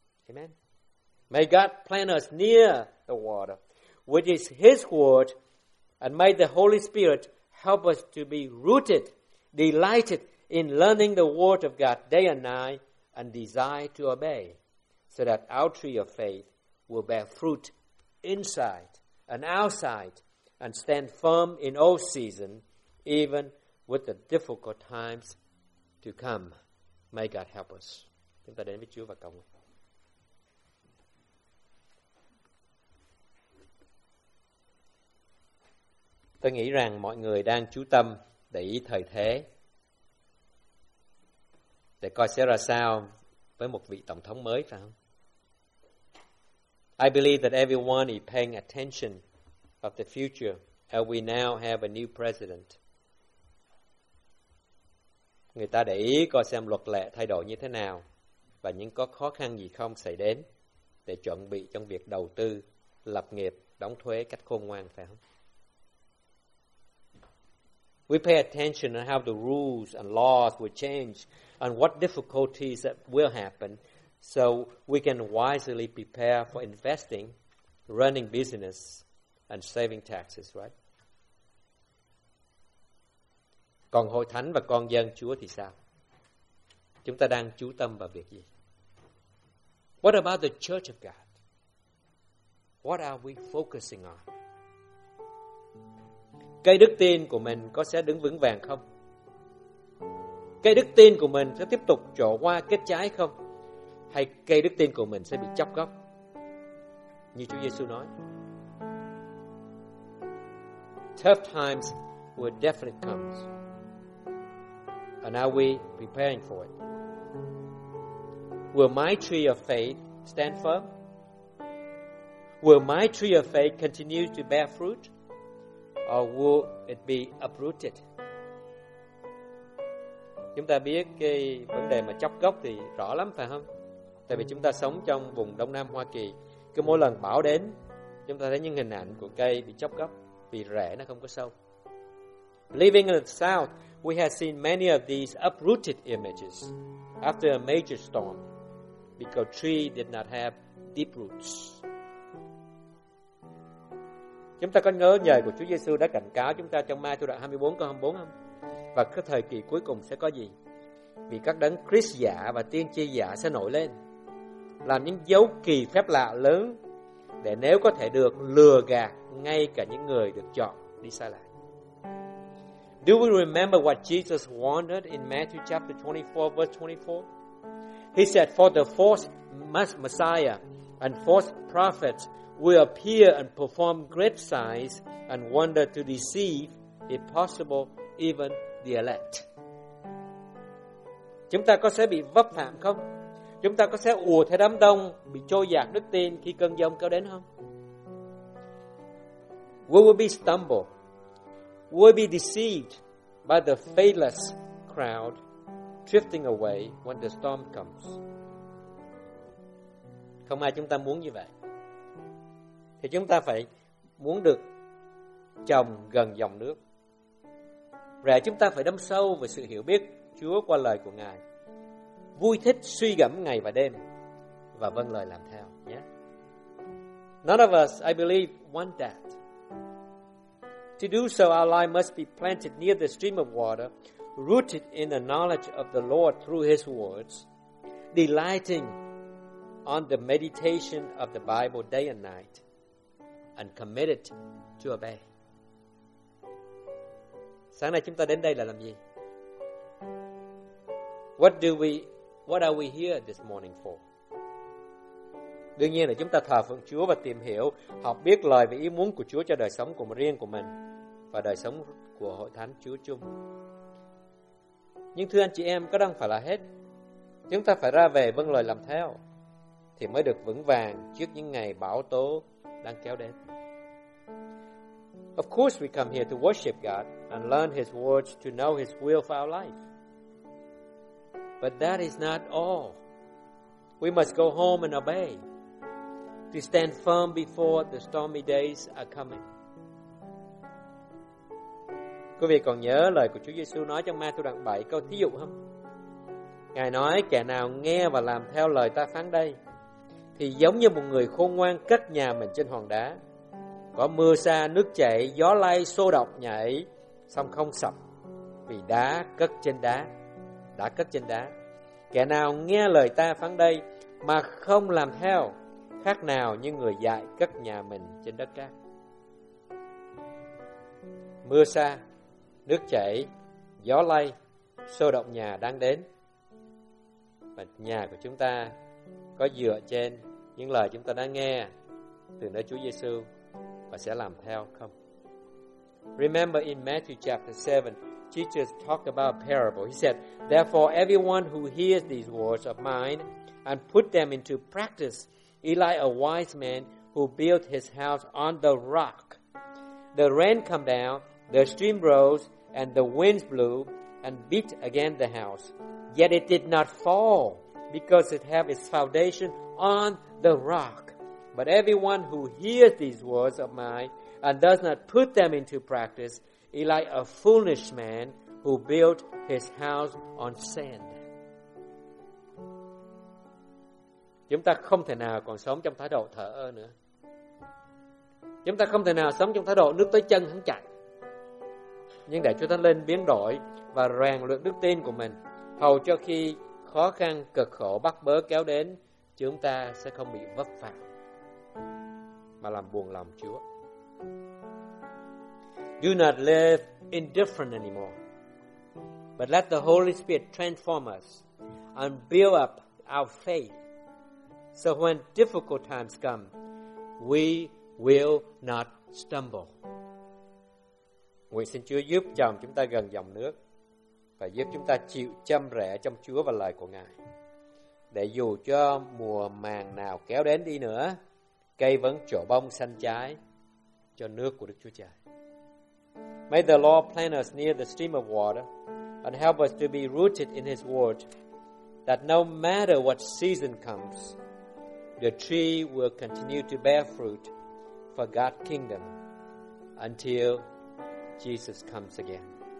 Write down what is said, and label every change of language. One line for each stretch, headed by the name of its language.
English: Amen. May God plant us near the water, which is His word, and may the Holy Spirit help us to be rooted, delighted in learning the word of God day and night, and desire to obey, so that our tree of faith will bear fruit inside and outside, and stand firm in all season, even with the difficult times to come. May God help us.
Vietnamese: Chúng ta đến với Chúa và cầu nguyện. Tôi nghĩ rằng mọi người đang chú tâm để ý thời thế, để coi sẽ ra sao với một vị tổng thống mới, phải không?
English: I believe that everyone is paying attention of the future as we now have a new president.
Vietnamese: Người ta để ý coi xem luật lệ thay đổi như thế nào và những có khó khăn gì không xảy đến để chuẩn bị trong việc đầu tư, lập nghiệp, đóng thuế cách khôn ngoan, phải không?
English: We pay attention on how the rules and laws will change and what difficulties that will happen, so we can wisely prepare for investing, running business, and saving taxes, right?
Vietnamese: Còn hội thánh và con dân Chúa thì sao? Chúng ta đang chú tâm vào việc gì?
English: What about the church of God? What are we focusing on?
Vietnamese: Cây đức tin của mình có sẽ đứng vững vàng không? Cây đức tin của mình sẽ tiếp tục trổ hoa kết trái không? Hay cây đức tin của mình sẽ bị chóc gốc? Như Chúa Giê-xu nói,
English: tough times will definitely come. And are we preparing for it? Will my tree of faith stand firm? Will my tree of faith continue to bear fruit? Or will it be uprooted?
Vietnamese: Chúng ta biết cái vấn đề mà chóc gốc thì rõ lắm, phải không? Tại vì chúng ta sống trong vùng Đông Nam Hoa Kỳ, cứ mỗi lần bão đến, chúng ta thấy những hình ảnh của cây bị chóc gốc vì rễ nó không có sâu.
English: Living in the South, we have seen many of these uprooted images after a major storm because tree did not have deep roots.
Vietnamese: Chúng ta có nhớ lời của Chúa Giê-xu đã cảnh cáo chúng ta trong Ma-thi-ơ đoạn 24 câu 24 không? Và cái thời kỳ cuối cùng sẽ có gì? Vì các đấng Christ giả và tiên tri giả sẽ nổi lên, làm những dấu kỳ phép lạ lớn để nếu có thể được lừa gạt ngay cả những người được chọn đi xa lạ.
English: Do we remember what Jesus warned in Matthew chapter 24 verse 24? He said, for the false Messiah and false prophets will appear and perform great signs and wonder to deceive, if possible, even the elect.
Vietnamese: Chúng ta có sẽ bị vấp phạm không? Chúng ta có sẽ ùa theo đám đông, bị trôi dạt đức tin khi cơn giông kéo đến không?
English: We will be stumbled. We will be deceived by the faithless crowd drifting away when the storm comes.
Vietnamese: Không ai chúng ta muốn như vậy. thì chúng ta phải muốn được trồng gần dòng nước. Rẽ chúng ta phải đâm sâu về sự hiểu biết Chúa qua lời của Ngài, vui thích suy gẫm ngày và đêm và vâng lời làm theo nhé.
English: None of us, I believe, want that. To do so, our life must be planted near the stream of water, rooted in the knowledge of the Lord through His words, delighting on the meditation of the Bible day and night, and committed to obey.
Vietnamese: Sáng nay chúng ta đến đây là làm gì?
English: What are we here this morning for?
Vietnamese: Đương nhiên là chúng ta thờ phượng Chúa và tìm hiểu, học biết lời và ý muốn của Chúa cho đời sống của riêng của mình và đời sống của hội thánh Chúa chung. Nhưng thưa anh chị em, có đang phải là hết. Chúng ta phải ra về vâng lời làm theo thì mới được vững vàng trước những ngày bão tố đang kéo đến.
English: Of course we come here to worship God and learn His words to know His will for our life. But that is not all. We must go home and obey. To stand firm before the stormy days are coming.
Vietnamese: Quý vị còn nhớ lời của Chúa Giêsu nói trong Ma-thi-ơ đoạn 7 câu thí dụ không? Ngài nói kẻ nào nghe và làm theo lời ta phán đây thì giống như một người khôn ngoan cất nhà mình trên hòn đá, có mưa sa nước chảy, gió lay xô độc nhà ấy, song không sập vì đá cất trên đá. Đá cất trên đá. Kẻ nào nghe lời ta phán đây mà không làm theo khác nào như người dại cất nhà mình trên đất cát. Mưa sa, nước chảy, gió lay, xô động nhà đang đến. Và nhà của chúng ta có dựa trên những lời chúng ta đã nghe từ nơi Chúa Giêsu và sẽ làm theo không?
English: Remember in Matthew chapter 7, Jesus talked about a parable. He said, "Therefore, everyone who hears these words of mine and put them into practice is like a wise man who built his house on the rock. The rain came down, the stream rose, and the winds blew and beat against the house. Yet it did not fall, because it had its foundation on the rock. But everyone who hears these words of mine and does not put them into practice is like a foolish man who built his house on sand."
Vietnamese: Chúng ta không thể nào còn sống trong thái độ thờ ơ nữa. Chúng ta không thể nào sống trong thái độ nước tới chân không chạy. Nhưng để Chúa Thánh Linh biến đổi và rèn luyện đức tin của mình, hầu cho khi khó khăn, cực khổ, bắt bớ kéo đến, chúng ta sẽ không bị vấp phạm mà làm buồn lòng Chúa.
English: Do not live indifferent anymore, but let the Holy Spirit transform us and build up our faith. So when difficult times come, we will not stumble.
Vietnamese: Nguyện xin Chúa giúp chồng chúng ta gần dòng nước và giúp chúng ta chịu châm rẽ trong Chúa và lời của Ngài. Để dù cho mùa màng nào kéo đến đi nữa, cây vẫn trổ bông xanh trái cho nước của Đức Chúa Trời.
English: May the Lord plant us near the stream of water and help us to be rooted in His word, that no matter what season comes, the tree will continue to bear fruit for God's kingdom until Jesus comes again.